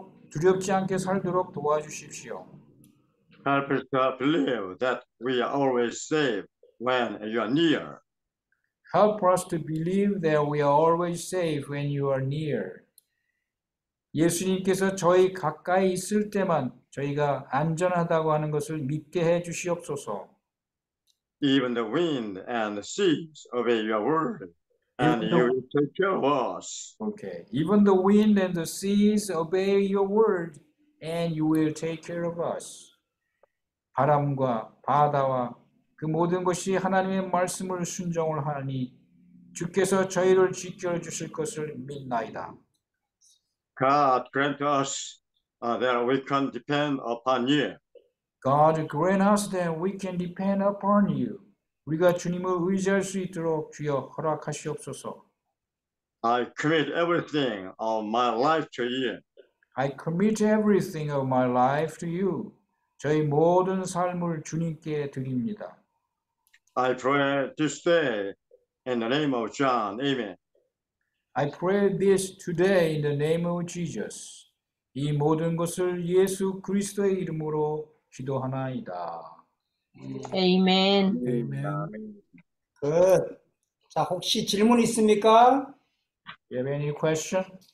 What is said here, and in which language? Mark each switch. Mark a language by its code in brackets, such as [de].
[ko] 두렵지 않게 살도록 도와주십시오. [en] Help us to believe that we are always safe when you are near. Help us to believe that we are always safe when you are near. [ko] 예수님께서 저희 가까이 있을 때만 저희가 안전하다고 하는 것을 믿게 해 주시옵소서. [en] Even the wind and the seas obey your word, and you will take care of us. Okay. Even the wind and the seas obey your word, and you will take care of us. [ko] 바람과 바다와 그 모든 것이 하나님의 말씀을 순종을 하니 주께서 저희를 지켜 주실 것을 믿나이다. [en] God grant us that we can depend upon you. God grant us that we can depend upon you. [ko] 우리가 주님을 의지할 수 있도록 주여 허락하시옵소서. [en] I commit everything of my life to you. I commit everything of my life to you. [ko] 저희 모든 삶을 주님께 드립니다. [en] I pray this day in the name of John. Amen. I pray this today in the name of Jesus. [ko] 이 모든 것을 예수 그리스도의 이름으로 기도하나이다. [en] Amen. Amen. [ko] Good. 자, 혹시 질문 있습니까? [en] You have any question?